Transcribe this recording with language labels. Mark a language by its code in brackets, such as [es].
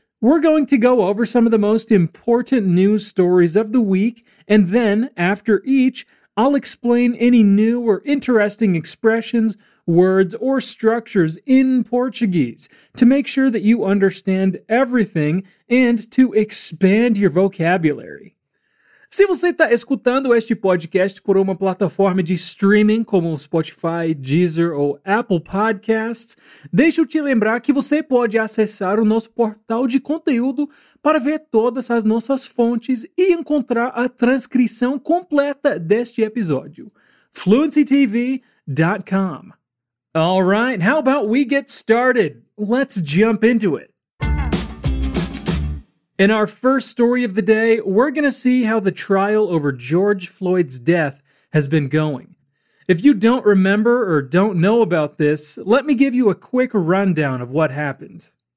[en] We're going to go over some of the most important news stories of the week, and then, after each, I'll explain any new or interesting expressions, words, or structures in Portuguese to make sure that you understand everything and to expand your vocabulary. [pt] Se você está escutando este podcast por uma plataforma de streaming como Spotify, Deezer ou Apple Podcasts, deixa eu te lembrar que você pode acessar o nosso portal de conteúdo para ver todas as nossas fontes e encontrar a transcrição completa deste episódio. FluencyTV.com. [en] All right, how about we get started? Let's jump into it. In our first story of the day, we're going to see how the trial over George Floyd's death has been going. If you don't remember or don't know about this, let me give you a quick rundown of what happened.